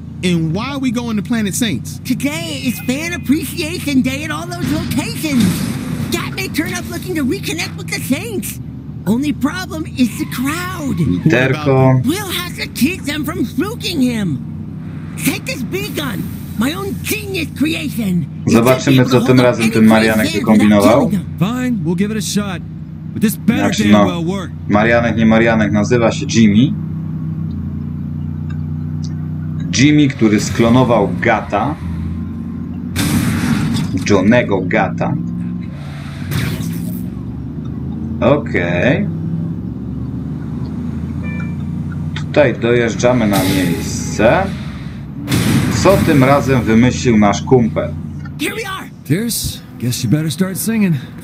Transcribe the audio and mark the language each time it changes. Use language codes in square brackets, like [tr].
[en] And why are we going to Planet Saints? Today is Fan Appreciation Day at all those locations. Gat may turn up looking to reconnect with the Saints. Only problem is the crowd. Terko. Will has to keep them from spooking him. Take this big gun. My own genius creation. [pl] Zobaczymy, co tym razem ten Marianek wykombinował. [en] Fine, we'll give it a shot. But this better damn well work. [pl] Marianek, nie Marianek, nazywa się Jimmy. Jimmy, który sklonował Gata. Johnnego Gata. Okej. Tutaj dojeżdżamy na miejsce. Co tym razem wymyślił nasz kumpel? [en] Tears, guess you better start singing.